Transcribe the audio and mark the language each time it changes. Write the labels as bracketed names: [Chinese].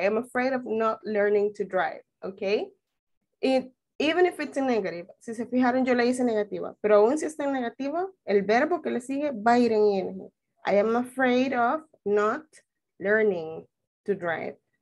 [English] I am afraid of not learning to drive. Okay? Even if it's a negative. [Spanish] Si se fijaron, yo le hice negativa. Pero aún si está en negativa, el verbo que le sigue va a ir en ing. [English] I am afraid of not learning to drive.